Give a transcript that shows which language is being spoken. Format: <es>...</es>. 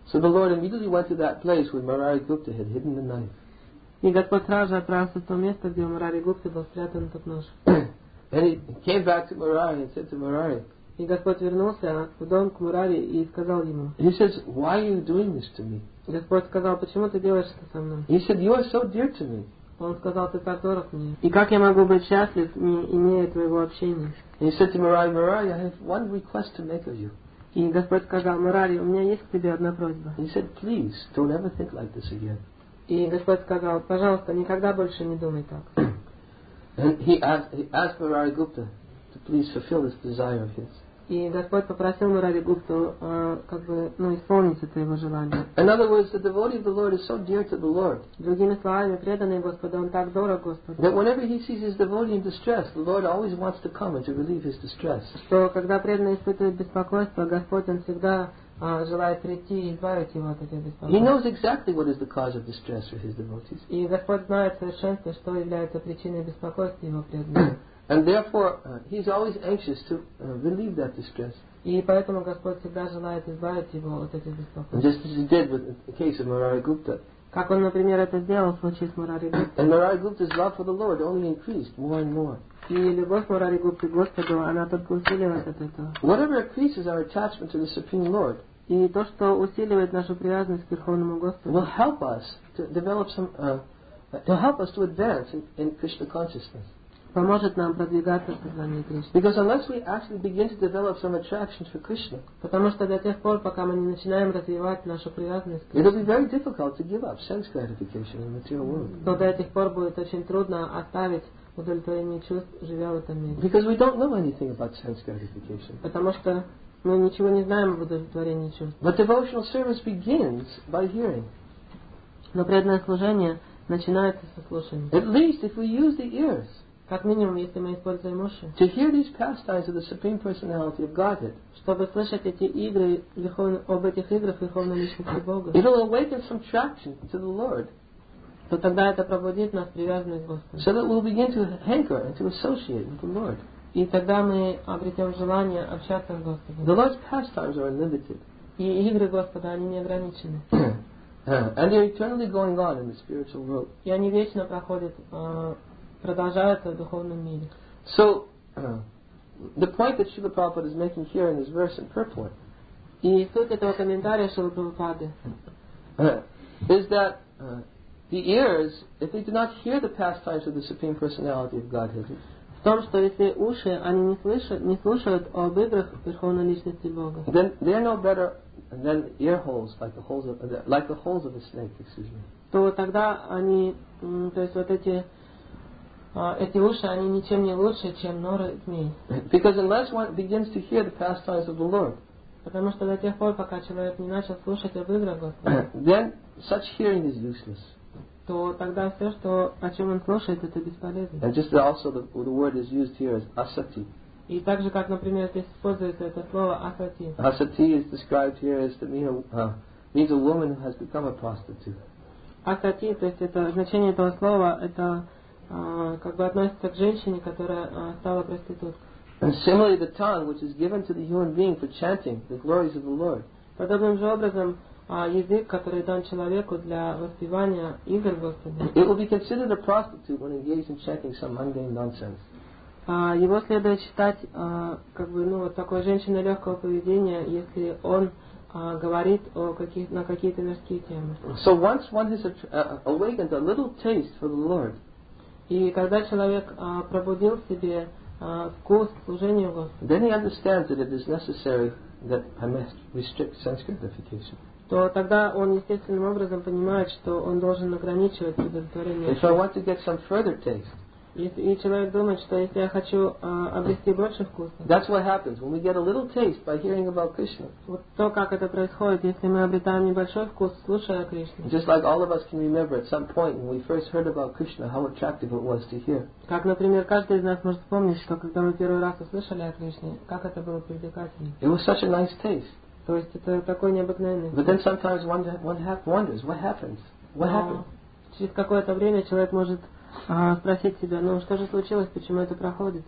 <en>So the Lord immediately went to that place where Murari Gupta had hidden the knife.</en> <ru>И Господь сразу же отправился в то место, где у Мурари Гупты был спрятан этот нож.</ru> <en>And he came back to Murari and said to Murari.</en> <ru>И Господь вернулся в дом к Мурари и сказал ему.</ru> <en>He says, why are you doing this to me?</en> <ru>Господь сказал, почему ты делаешь это со мной?</ru> <en>He said, you are so dear to me.</en> <ru>Он сказал, ты так дорог мне. И как я могу быть счастлив, не имея твоего общения?</ru> <en>He said to Murari, Murari, I have one request to make of you.</en> <ru>И Господь сказал, Мурари, у меня есть к тебе одна просьба.</ru> <en>He said, please, don't ever think like this again.</en> <ru>И Господь сказал, пожалуйста, никогда больше не думай так.</ru> <en>And he asked Murari Gupta to please fulfill this desire of his.</en> <ru>И Господь попросил Мурари Гупту, как бы, ну, исполнить это его желание.</ru> <en>In other words, the devotee of the Lord is so dear to the Lord.</en> <ru>Другими словами, преданный Господу, он так дорог Господу.</ru> <en>That whenever he sees his devotee in distress, the Lord always wants to come and to relieve his distress.</en> <ru>Что когда преданный испытывает беспокойство, Господь он всегда желает прийти и избавить его от этих беспокойств.</ru> <en>He knows exactly what is the cause of distress for his devotees.</en> <ru>И Господь знает совершенно, что является причиной беспокойства его преданного.</ru> <en>And therefore, he's always anxious to relieve that distress.</en> <ru>И поэтому Господь всегда желает избавить его от этих беспокойств.</ru> <en>Just as he did with the case of Murari Gupta.</en> <ru>Как он, например, это сделал в случае с Мурари Гупта.</ru> <en>And Murari Gupta's love for the Lord only increased more and more.</en> <ru>И любовь Мурари Гупты к Господу, она только усиливает от этого.</ru> <en>Whatever increases our attachment to the Supreme Lord.</en> <ru>И то, что усиливает нашу привязанность к Верховному Господу.</ru> <en>Will help us to develop some, to help us to advance in Krishna consciousness.</en> <ru>Поможет нам продвигаться в сознании Кришны.</ru> <en>Because unless we actually begin to develop some attraction for Krishna,</en> <ru>потому что до тех пор, пока мы не начинаем развивать нашу привязанность к</ru> <en>Кришне, it will be very difficult to give up sense gratification in the material world.</en> <ru>То до тех пор будет очень трудно оставить удовлетворение чувств, живя в этом мире.</ru> <en>Because we don't know anything about sense gratification.</en> <ru>Потому что мы ничего не знаем об удовлетворении чувств.</ru> <en>But devotional service begins by hearing.</en> <ru>Но преданное служение начинается со слушания.</ru> <en>At least if we use the ears.</en> <ru>Как минимум, если мы используем уши.</ru> <en>To hear these pastimes of the Supreme Personality of Godhead.</en> <ru>Чтобы слышать эти игры, об этих играх Верховной Личности Бога.</ru> <en>It will awaken some traction to the Lord.</en> <ru>То тогда это пробудит нас привязанность к Господу.</ru> <en>So that we'll begin to hanker and to associate with the Lord.</en> <ru>И тогда мы обретем желание общаться с Господом.</ru> <en>The Lord's pastimes are unlimited.</en> <ru>И игры Господа, они не ограничены.</ru> <en>And they're eternally going on in the spiritual world.</en> <ru>И они вечно проходят продолжается в духовном мире.</ru> <en>So, the point that Srila Prabhupada is making here in this verse in purport.</en> <ru>И суть этого комментария Шрила Прабхупады.</ru> <en>Is that the ears, if they do not hear the pastimes of the Supreme Personality of Godhead.</en> <ru>В том, что если уши, они не слушают об играх Верховной Личности Бога.</ru> <en>Then they are no better than ear holes, like the holes of a snake, excuse me.</en> <ru>То тогда они, то есть вот эти эти уши, они ничем не лучше, чем норы змей.</ru> <en>Because unless one begins to hear the pastimes of the Lord,</en> <ru>потому что до тех пор, пока человек не начал слушать об играх Господа,</ru> <en>then such hearing is useless.</en> <ru>То тогда все, что, о чем он слушает, это бесполезно.</ru> <en>And just also the word is used here as asati.</en> <ru>И также, как, например, здесь используется это слово асати.</ru> <en>Asati is described here as to mean means a woman who has become a prostitute.</en> <ru>Асати, то есть это значение этого слова, это как бы относится к женщине, которая стала проституткой.</ru> <en>And similarly, the tongue, which is given to the human being for chanting the glories of the Lord.</en> <ru>Подобным же образом язык, который дан человеку для воспевания игр Господа.</ru> <en>It will be considered a prostitute when engaged in chanting some mundane nonsense.</en> <ru>Его следует считать как бы ну вот такой женщиной легкого поведения, если он говорит о на какие-то мирские темы.</ru> <en>So once one has awakened a little taste for the Lord.</en> <ru>И когда человек пробудил в себе вкус служению Господу,</ru> <en>then he understands that it is necessary that I must restrict sense gratification.</en> <ru>То тогда он естественным образом понимает, что он должен ограничивать удовлетворение.</ru> <en>If I want to get some further taste,</en> <ru>и человек думает, что если я хочу обрести больше вкуса,</ru> <en>that's what happens when we get a little taste by hearing about Krishna.</en> <ru>Вот то, как это происходит, если мы обретаем небольшой вкус, слушая о Кришне.</ru> <en>Just like all of us can remember at some point when we first heard about Krishna, how attractive it was to hear.</en> <ru>Как, например, каждый из нас может вспомнить, что когда мы первый раз услышали о Кришне, как это было привлекательно.</ru> <en>It was such a nice taste.</en> <ru>То есть это такой необыкновенный.</ru> <en>But then sometimes one wonders what happens. What happened?</en> <ru>Через какое-то время человек может спросить себя, ну что же случилось, почему это проходит?</ru>